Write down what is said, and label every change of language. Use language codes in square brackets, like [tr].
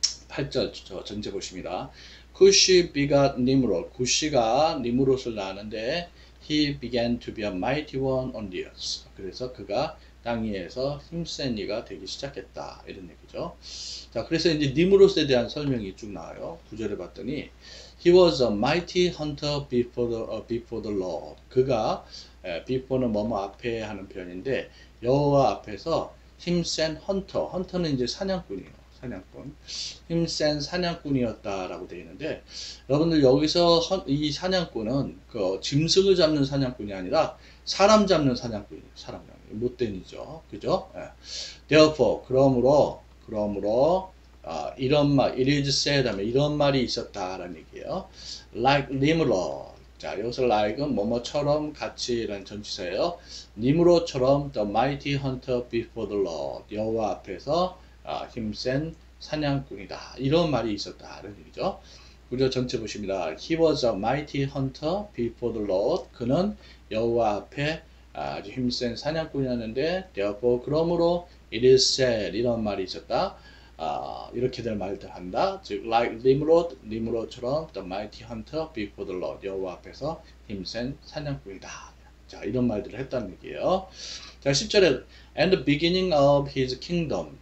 [ko] 8절 저 전체 보십니다. 쿠시 비갓 니므롯. 쿠시가 니므롯을 낳았는데 [en] he began to be a mighty one on the earth. [ko] 그래서 그가 땅 위에서 힘센 이가 되기 시작했다 이런 얘기죠. 자, 그래서 이제 니므롯에 대한 설명이 쭉 나와요. 구절을 봤더니 [en] He was a mighty hunter before the Lord. [ko] 그가 before는 뭐뭐 앞에 하는 표현인데 여호와 앞에서 힘센 헌터. 헌터는 이제 사냥꾼이에요. 사냥꾼. 힘센 사냥꾼이었다라고 되어 있는데 여러분들 여기서 이 사냥꾼은 그 짐승을 잡는 사냥꾼이 아니라 사람 잡는 사냥꾼이에요. 사람 잡는. 못된이죠. 그죠? [en] Therefore, [ko] 그러므로, 이런 말, [en] it is said, [ko] 이런 말이 있었다라는 얘기예요. [en] Like Nimrod. [ko] 자, 여기서 like은 뭐뭐처럼 같이라는 전치사예요. [en] Nimrod처럼 the mighty hunter before the Lord. [ko] 여호와 앞에서 힘센 사냥꾼이다. 이런 말이 있었다라는 얘기죠. 우리가 전체 보십니다. [en] He was a mighty hunter before the Lord. [ko] 그는 여호와 앞에 아주 힘센 사냥꾼이었는데, [en] therefore, [ko] 그러므로, [en] it is said, [ko] 이런 말이 있었다. 이렇게들 말들 한다. 즉, [en] like Nimrod, [ko] Nimrod처럼, [en] the mighty hunter before the Lord, [ko] 여호와 앞에서 힘센 사냥꾼이다. 자, 이런 말들을 했다는 얘기예요. 자, 10절에, [en] and the beginning of his kingdom.